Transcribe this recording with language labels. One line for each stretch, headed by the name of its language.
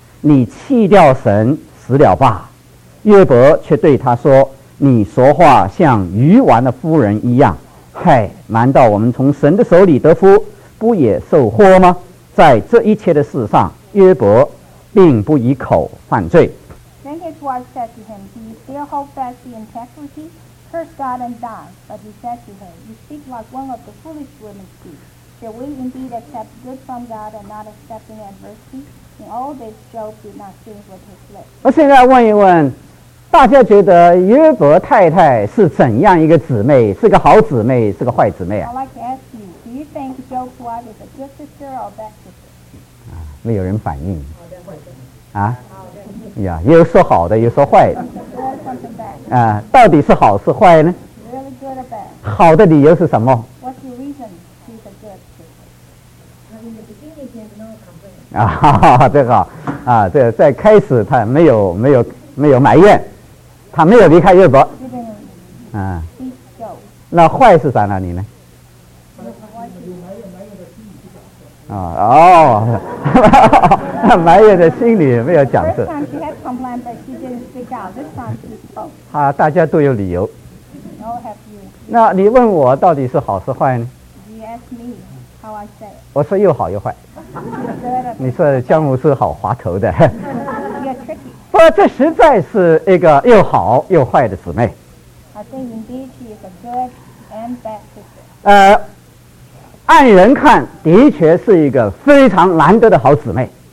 Chinese: 你弃掉神，死了吧。” 约伯却对他说：你说话像愚顽的妇人一样，嗨，难道我们从神的手里得福，不也受祸吗？在这一切的事上，约伯并不以口犯罪。
English: Then his wife said to him, Do you still hold fast the integrity? Curse God and die. But he said to her, You speak like one of the foolish women speak. Shall we indeed accept good from God and not accepting adversity? In all this, Job did not sin with his lips.
Chinese: 我现在问一问，大家觉得约伯太太是怎样一个姊妹？是个好姊妹，是个坏姊妹啊？
English: I'd like to ask you, Do you think Job's wife is a good sister or a bad sister?
Chinese: 啊，没有人反应。啊？呀，有说好的，有说坏的。啊，到底是好是坏呢？
English: Really good or bad?
Chinese: 好的理由是什么？
English: What's your reason she's a good sister? In the beginning, he has no complaint.
Chinese: 啊，哈哈，这好。啊，这在开始他没有埋怨，他没有离开约伯。嗯、啊。那坏是在哪里呢？啊哦，埋怨在心里没有讲出来。
English: First time she had complained, but she didn't speak out. This time she spoke.
Chinese: 好，大家都有理由。
English: No, have you?
Chinese: 那你问我到底是好是坏呢
English: ？You ask me how I say.
Chinese: 我说又好又坏。你说姜母是好滑头的。
English: You're tricky.
Chinese: 不，这实在是一个又好又坏的姊妹。
English: I think indeed she is a good and bad sister.
Chinese: 按人看的确是一个非常难得的好姊妹。